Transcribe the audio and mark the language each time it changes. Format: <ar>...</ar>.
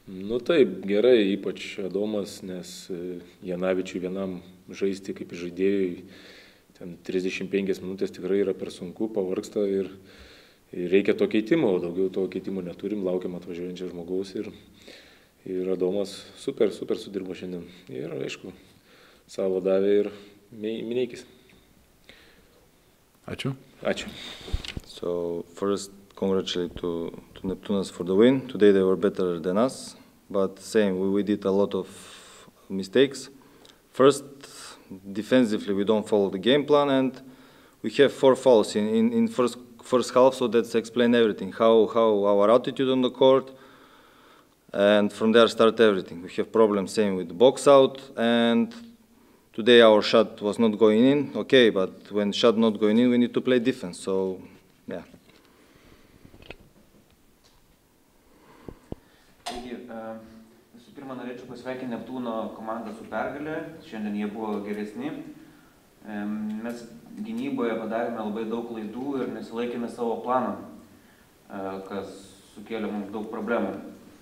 <lt>Nu taip, gerai, ypač Adomas, nes Janavičiui vienam žaisti kaip žaidėjui, ten 35 minutės tikrai yra per sunku, pavargsta ir reikia to keitimo, daugiau to keitimo neturim, laukiam atvažiuojančio žmogaus ir Adomas super, super sudirbo šiandien. Ir aišku, savo davė ir Mineikis. Ačiū. Ačiū.</lt> <en>So, first, congratulate to Neptunas for the win. Today they were better than us, but same, we did a lot of mistakes. First, defensively, we don't follow the game plan and we have four fouls in first half, so that's explain everything. How our attitude on the court, and from there start everything. We have problems same with the box out, and today our shot was not going in, okay, but when shot not going in, we need to play defense, so, yeah.</en> <lt>Taigi, visų pirma, norėčiau pasveikinti Neptūno komandą su pergalė, šiandien jie buvo geresni. Mes gynyboje padarėme labai daug klaidų ir nesilaikėme savo planą, kas sukėlė mums daug problemų.</lt>